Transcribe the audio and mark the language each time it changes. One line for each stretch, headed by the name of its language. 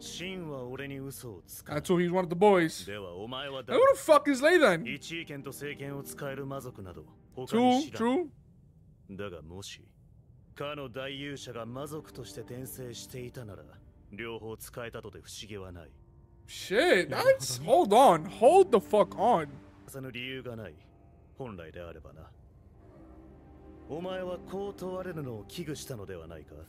Japanese: Shin は俺に嘘をつく。
English: That's why he's one of the boys.
Japanese: ではお前は誰。
English: Who the fuck is Lei then?
Japanese: 一意見と政権を使える魔族など、他に知らん。
English: True.
Japanese: だがもし、かの大勇者が魔族として転生していたなら、両方使えたとて不思議はない。
English: Shit, that's hold on, hold the fuck on.
Japanese: その理由がない。本来であればな。お前はこう問われるのを危惧したのではないか。